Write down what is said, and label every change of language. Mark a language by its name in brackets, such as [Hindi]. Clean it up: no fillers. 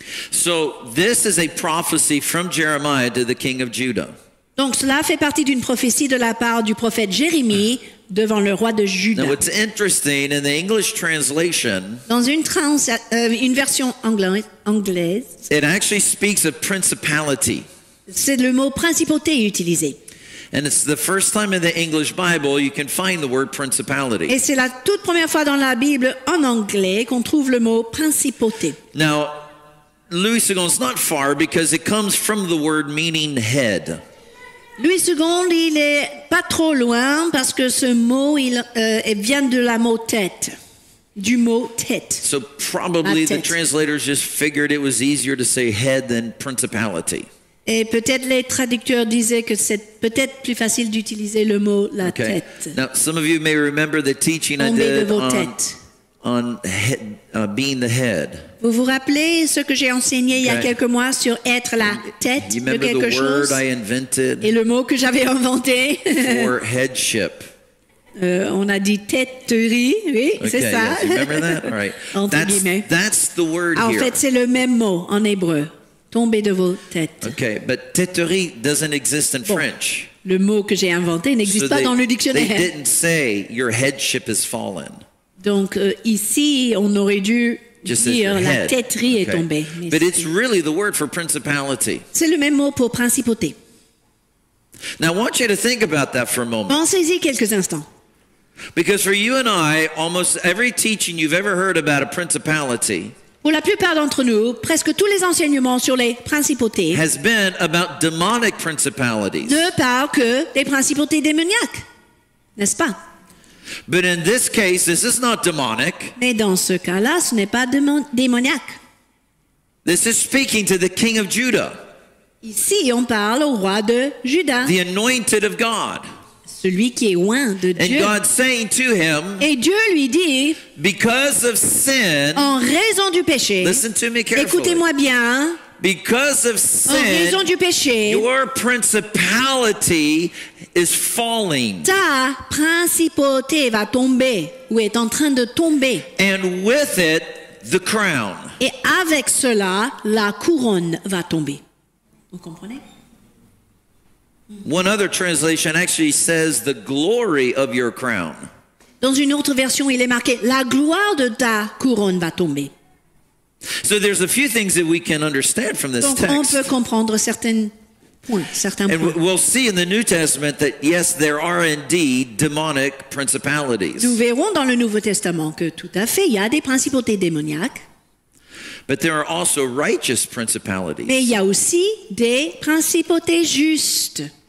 [English] So this is a prophecy from Jeremiah to the king of Judah. [French] Donc cela fait partie d'une prophétie de la part du prophète Jérémie devant le roi de Juda. [English] Now it's interesting, in the English translation, [French] dans une version anglaise, [English] it actually speaks of principality. [French] C'est le mot principauté utilisé. [English] And it's the first time in the English Bible you can find the word principality. [French] Et c'est la toute première fois dans la Bible en anglais qu'on trouve le mot principauté. [English] Now, Louis II is not far because it comes from the word meaning head. [French] Louis II, il est pas trop loin parce que ce mot, il vient de la mot tête, du mot tête. [English] So probably the translators just figured it was easier to say head than principality. [French] Et peut-être les traducteurs disaient que c'est peut-être plus facile d'utiliser le mot la [English] okay. [French] tête. [English] Now some of you may remember the teaching [French] tomber [English] I did [French] de vos têtes. [English] On head, being the head. [French] Vous vous rappelez ce que j'ai enseigné il y a quelques mois sur être la tête de quelque chose? Et le mot que j'avais inventé? [English] For headship. [French] On a dit têterie, oui, c'est ça. [English] Yes, you remember that? All right. [French] Entre guillemets. [English] That's the word here. [French] En fait, c'est le même mot en hébreu. Tomber de vos têtes. [English] Okay, but têterie doesn't exist in French. [French] Le mot que j'ai inventé n'existe pas dans le dictionnaire. [English] They didn't say your headship has fallen. [French] Donc ici, on aurait dû [English] just [French] dire [English] head. [French] La têterie est tombée. Mais [English] but it's really the word for principality. [French] C'est le même mot pour principauté. [English] Now I want you to think about that for a moment. [French] Pensez-y quelques instants. [English] Because for you and I, almost every teaching you've ever heard about a principality. [French] Pour la plupart d'entre nous, presque tous les enseignements sur les principautés [English] has been about demonic principalities. [French] Ne parlent que des principautés démoniaques, n'est-ce pas? [English] But in this case, this is not demonic. [French] Mais dans ce cas-là, ce n'est pas démoniaque. [English] This is speaking to the king of Judah. [French] Ici, on parle au roi de Juda. [English] The anointed of God. [French] Celui qui est oint de Dieu. [English] And God saying to him, [French] et Dieu lui dit, [English] because of sin, [French] en raison du péché, [English] listen to me carefully, [French] écoutez-moi bien, [English] because of sin, [French] en raison du péché, [English] your principality is falling. [French] Ta principauté va tomber, ou est en train de tomber. [English] And with it, the crown. [French] Et avec cela, la couronne va tomber. Vous comprenez? [English] One other translation actually says the glory of your crown. [French] Dans une autre version, il est marqué la gloire de ta couronne va tomber. [English] So there's a few things that we can understand from this text. [French] Donc on peut comprendre certains points, certains [English] and [French] points. [English] And we'll see in the New Testament that yes, there are indeed demonic principalities. [French] Nous verrons dans le Nouveau Testament que tout à fait, il y a des principautés démoniaques. [English] But there are also righteous principalities. [French] Mais il y a aussi des principautés justes.